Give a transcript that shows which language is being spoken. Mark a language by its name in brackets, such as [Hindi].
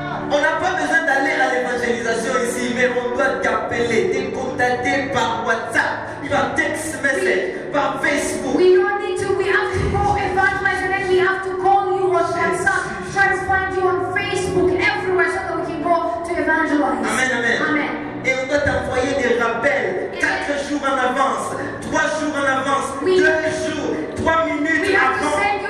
[French] On n'a pas besoin d'aller à l'évangélisation ici, mais on doit t'appeler, te contacter par WhatsApp, par text message, par Facebook. [English] We don't need to. We have to go evangelize, and then we have to call you on WhatsApp, try to find you on Facebook, everywhere, so that we can go to evangelize. Amen, amen. Amen. [French] Et on doit t'envoyer des rappels 4 jours en avance, 3 jours en avance, 2 jours, 3 minutes avant.